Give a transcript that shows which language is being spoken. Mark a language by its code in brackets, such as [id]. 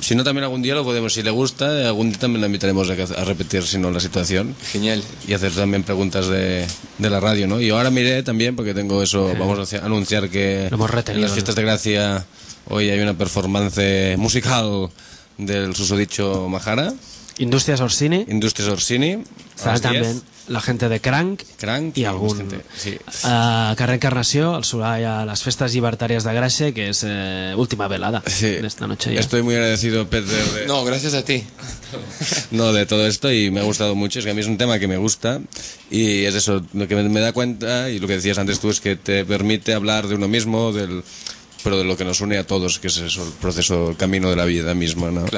[es] Si no, también algún día lo podemos, si le gusta, algún día también la invitaremos a repetir, si no, la situación. Genial. Y hacer también preguntas de la radio, ¿no? Y ahora miré también, porque tengo eso, vamos a anunciar que lo hemos retenido, en las fiestas de Gracia hoy hay una performance musical del susodicho Majara. Industrias Orsini. Industrias Orsini. [ca] Estarà també la gent de Crank i algun. Carrer Encarnació, al Solar, a les festes llibertàries de Gràcia, que és última velada d'esta [es] sí. noche. Ya. Estoy muy agradecido, Pedro. No, gracias a ti. No, de todo esto, y me ha gustado mucho. Es que a mí es un tema que me gusta, y es eso lo que me da cuenta, y lo que decías antes tú, es que te permite hablar de uno mismo, pero de lo que nos une a todos, que es eso, el proceso, el camino de la vida misma, ¿no?